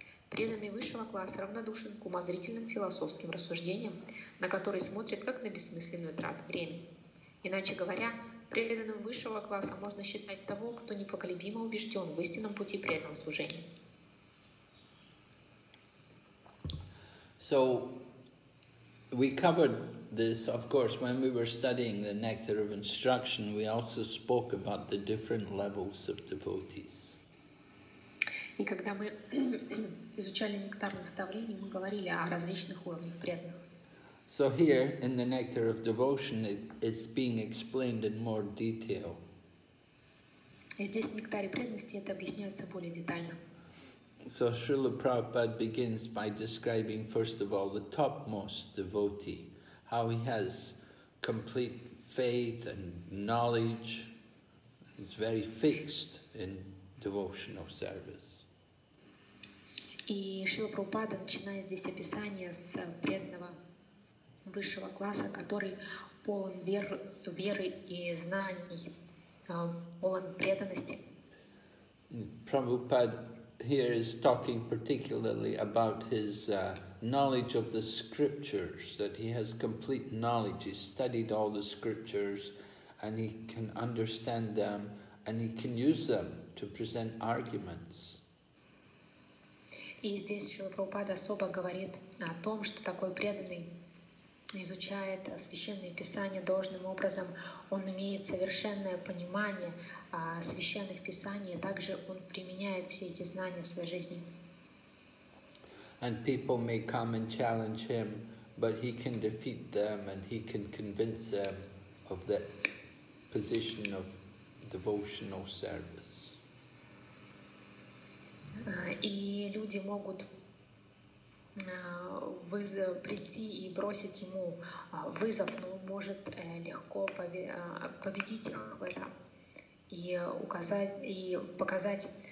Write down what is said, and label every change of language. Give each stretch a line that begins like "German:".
Russian: Преданный высшего класса равнодушен к умозрительным философским рассуждениям, на которые смотрит как на бессмысленную трату времени. Иначе говоря, преданным высшего класса можно считать того, кто непоколебимо убежден в истинном пути преданного служения.
English: So, we covered this, of course, when we were studying the nectar of instruction, we also spoke about the different levels of devotees.
Russian: И когда мы изучали нектар наставлений, мы говорили о различных уровнях преданных.
English: So here, in the nectar of devotion, it's being explained in more detail.
Russian: Здесь в нектаре преданности это объясняется более детально.
English: So Srila Prabhupada begins by describing, first of all, the topmost devotee, how he has complete faith and knowledge. He's very fixed in devotional service.
Russian: И Шрила Прабхупада начинает здесь описание с преданного высшего класса, который полон веры и знаний, полон преданности.
English: Prabhupada here is talking particularly about his knowledge of the scriptures, that he has complete knowledge, he studied all the scriptures, and he can understand them, and he can use them to to present arguments.
Russian: И здесь Шрила Прабхупада особо говорит о том, что такой преданный изучает священные писания должным образом, он имеет совершенное понимание священных писаний, а также он применяет все эти знания в своей жизни.
English: And people may come and challenge him, but he can defeat them and he can convince them of that position of devotional service.
Russian: И люди могут прийти и бросить ему вызов, но он может легко победить их в этом и указать, и показать